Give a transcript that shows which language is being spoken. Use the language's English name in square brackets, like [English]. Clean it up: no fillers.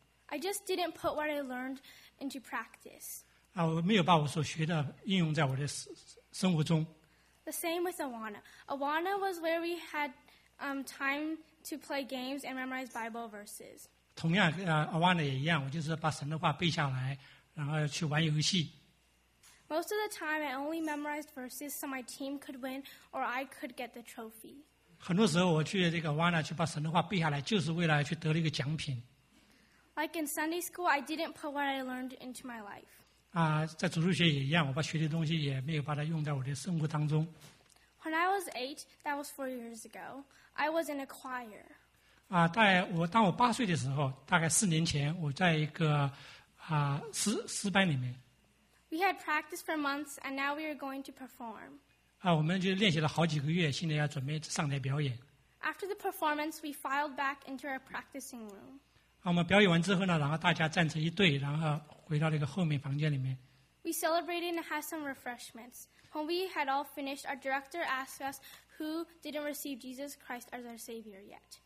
[English] I just didn't put what I learned into practice. [Chinese] 我没有把我所学的应用在我的生活中。 [English] The same with Awana. Awana was where we had time to play games and memorize Bible verses. [Chinese] 同样Awana 也一样，我就是把神的话背下来，然后去玩游戏。 [English] Most of the time, I only memorized verses so my team could win or I could get the trophy. [Chinese] 很多时候我去这个Awana去把神的话背下来，就是为了去得了一个奖品。 [English] Like in Sunday school, I didn't put what I learned into my life. [Chinese] 在主日学也一样，我把学的东西也没有把它用在我的生活当中。 [English] When I was eight, that was 4 years ago, I was in a choir. [Chinese] 当我八岁的时候，大概四年前，我在一个诗班里面。 [English] We had practice for months, and now we are going to perform. [Chinese] 我们就练习了好几个月，现在要准备上台表演。 [English] After the performance, we filed back into our practicing room. [Chinese] 我们表演完之后呢，然后大家站成一队，然后回到那个后面房间里面。 [English] We celebrated and had some refreshments. When we had all finished, our director asked us who didn't receive Jesus Christ as our Savior yet.